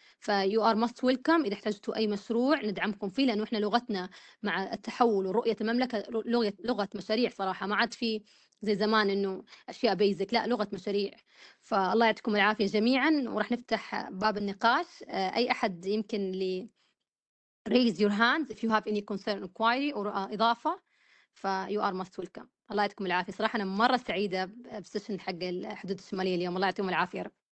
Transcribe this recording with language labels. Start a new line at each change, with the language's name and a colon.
English: few are must welcome
Arabic: إذا احتاجتوا أي مشروع ندعمكم فيه، لأنه إحنا لغتنا مع التحول ورؤية المملكة لغة مشاريع صراحة، ما عاد في زي زمان إنه أشياء بيزك، لا لغة مشاريع. فالله يعطيكم العافية جميعاً، ورح نفتح باب النقاش. أي أحد يمكن لي
English: raise your hands if you have any concern, inquiry or إضافة you are most welcome.
Arabic: الله يعطيكم العافية، صراحة أنا مرة سعيدة بسيشن حق الحدود الشمالية اليوم، الله يعطيكم العافية يا رب.